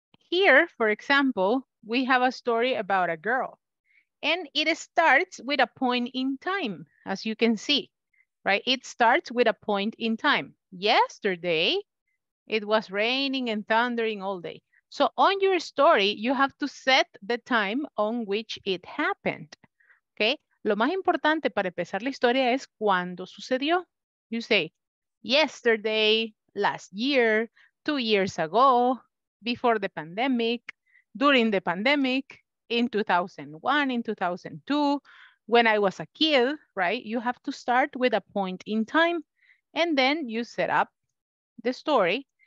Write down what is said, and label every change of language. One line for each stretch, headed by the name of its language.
English: Here, for example, we have a story about a girl, and it starts with a point in time, as you can see, right? It starts with a point in time. Yesterday, it was raining and thundering all day. So on your story, you have to set the time on which it happened, okay?
Spanish: Lo más importante para empezar la historia es cuando sucedió.
English: You say, yesterday, last year, 2 years ago, before the pandemic, during the pandemic, in 2001, in 2002, when I was a kid, right? You have to start with a point in time, and then you set up the story.